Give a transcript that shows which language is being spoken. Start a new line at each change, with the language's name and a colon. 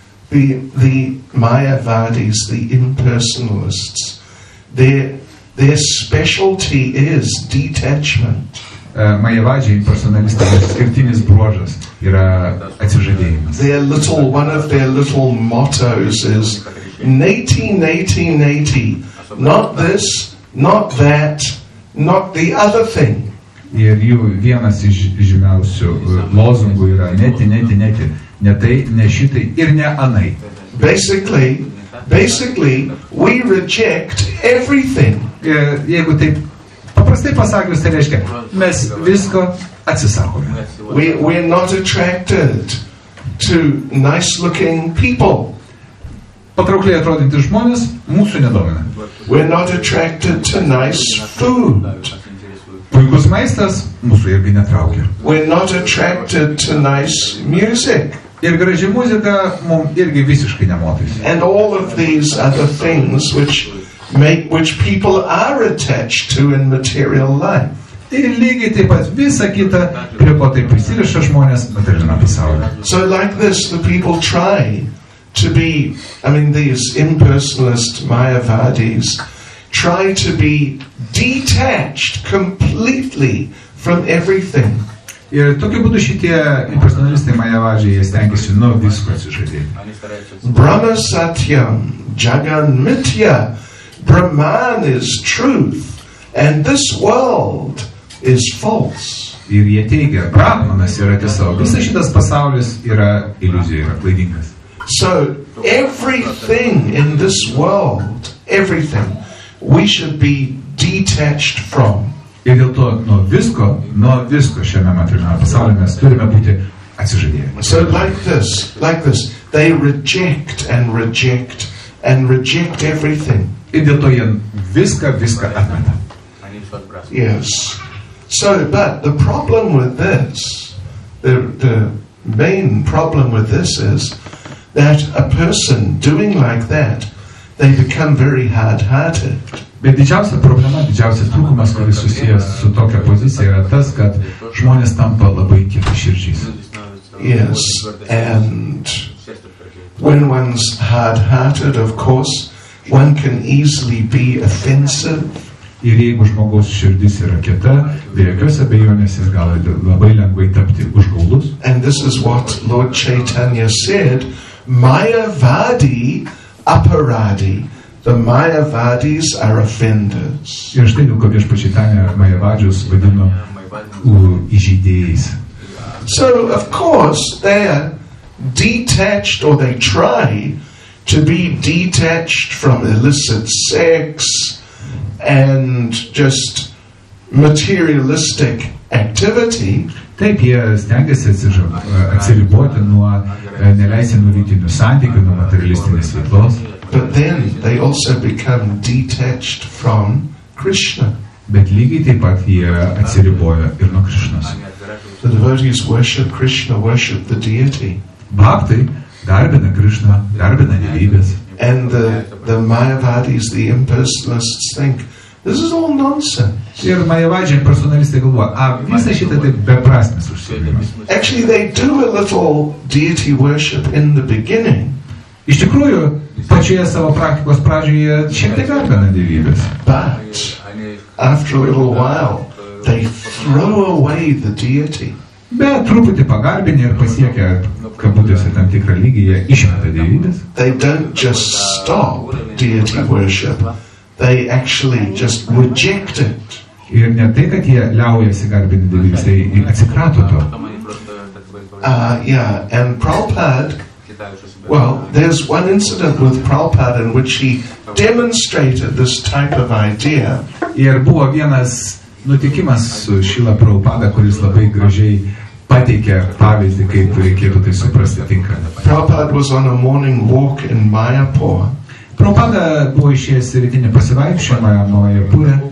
English: The Mayavadis, the impersonalists, their specialty is detachment.
Lithuanian: Mayavadžiai, impersonalistai, skirtinis bruožas yra atsižadėjimas.
English: One of their little mottos is 1980, not this, not that, not the other thing.
Lithuanian: Ir jų vienas iš žymiausių lozungų yra
Sanskrit: neti, neti, neti,
Lithuanian: ne tai, ne šitai ir ne anai.
English: Basically, we reject everything.
Lithuanian: Jeigu taip paprastai pasakius, tai reiškia, mes visko atsisakome.
English: We're not attracted to nice-looking people.
Lithuanian: Patraukliai atrodinti žmonės mūsų nedomina.
English: We're not attracted to nice food.
Lithuanian: Puikus maistas mūsų irgi netraukia.
English: We're not attracted to nice music.
Lithuanian: Ir graži muzika mums irgi visiškai nemotys.
English: And all of these are the things which people are attached to in material life.
Lithuanian: Ir lygiai taip pat visa kita, prie ko tai prisiriša žmonės materialiame pasaulyje.
English: So like this, the people try to be, I mean, these impersonalist Mayavadis try to be detached completely from everything.
Lithuanian: Ir tokiu būdu šitie impersonalistai Mayavadžiai, jie stengiasi nuo visko atsižadėti.
Sanskrit: Brahma Satyam, Jagan Mitya,
English: Brahman is truth, and this world is false.
Lithuanian: Ir jie teigia, Brahmanas yra tiesa, visas šitas pasaulis yra iliuzija, yra klaidingas.
English: So everything in this world, everything, we should be detached from.
Lithuanian: Ir dėl to nuo visko šiame materialiame pasaulyje mes turime būti atsižadėję.
English: So like this, they reject and reject and reject everything.
Lithuanian: Ir dėl to jie viską atmeta.
English: Yes. So, but the problem with this, the main problem with this is that a person doing like that, they become very hard-hearted.
Lithuanian: Bet didžiausia problema, didžiausias trūkumas, kuris susijęs su tokia pozicija, yra tas, kad žmonės tampa labai kietaširdžiais.
English: Yes, and when one's hard-hearted, of course, one can easily be offensive.
Lithuanian: Ir jeigu žmogaus širdis yra kieta, be jokios abejonės jis gali labai lengvai tapti užgaulus.
English: And this is what Lord Chaitanya said,
Sanskrit: Mayavadi aparadi.
English: The Mayavadis are offenders.
Lithuanian: Ir štai dėl ko Viešpats Čaitanja Mayavadžius vadino įžeidėjais.
English: So, of course, they are detached, or they try to be detached from illicit sex and just materialistic activity.
Lithuanian: Taip, jie stengiasi atsiriboti nuo neleisimų lytinių santykių, nuo materialistinės veiklos.
English: But then they also become detached from Krishna.
Lithuanian: Bet lygiai taip pat jie atsiriboja ir nuo Krishnos.
English: The devotees worship Krishna, worship the deity.
Lithuanian: Bhaktai garbina Krishna, garbina dievybes.
English: And the Mayavadis, the impersonalists think, this is all nonsense.
Lithuanian: Ir Mayavadžiai, personalistai galvoja, visa šita taip beprasmės užsiėmimas.
English: Actually, they do a little deity worship in the beginning.
Lithuanian: Iš tikrųjų, pačioje savo praktikos pradžioje šiek tiek garbina dievybės.
English: But after a little while, they throw away the deity.
Lithuanian: Bet truputį pagarbinė ir pasiekia, kad būtėse tam tikrą lygį, jie išmeta dievybės.
English: They don't just stop deity worship, they actually just reject it.
Lithuanian: Ir ne tai, kad jie liaujasi garbinti dievybės, tai atsikrato to.
English: And Prabhupada, well, there's one incident with Prabhupada in which he demonstrated this type of idea.
Lithuanian: Ir buvo vienas nutikimas su Šila Prabhupada, kuris labai gražiai pateikė pavyzdį, kaip reikėtų tai suprasti tinkamai.
English: Prabhupada was on a morning walk in Mayapur.
Lithuanian: Prabhupada buvo išėjęs rytinį pasivaikščiojimą Mayapure.